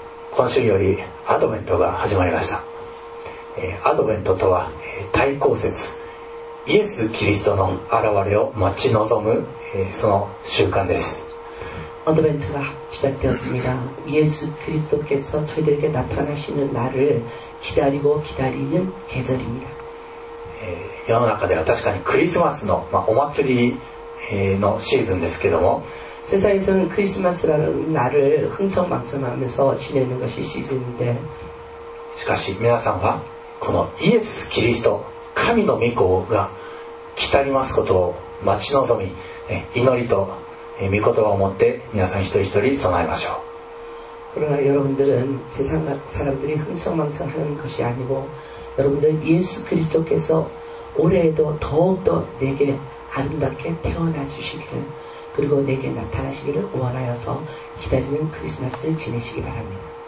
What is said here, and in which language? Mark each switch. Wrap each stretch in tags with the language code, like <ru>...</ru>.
<ja>今週よりアドベントが始まりました。アドベントとは、対抗節、イエス・キリストの現れを待ち望む、その習慣です。</ja> <ko>アドベントが시작되었습니다。イエス・キリストが저희들에게나타나시는날을기다리고기다리는계절입니다。</ko> <ja>世の中では確かにクリスマスの、まあ、お祭りのシーズンですけども、</ja> <ko>세상에서는크리스마스라는날을흥청망청하면서지내는것이시즌인데</ko> <ja>しかし皆さんはこのイエス・キリスト、神の御子が来たりますことを待ち望み、祈りと御言葉を持って皆さん一人一人備えましょう。</ja> <ko>그러나여러분들은세상사람들이흥청망청하는것이아니고여러분들은예수그리스도께서올해에도더욱더내게아름답게태어나주시기를그리고내게나타나시기를원하여서기다리는크리스마스를지내시기바랍니다。</ko>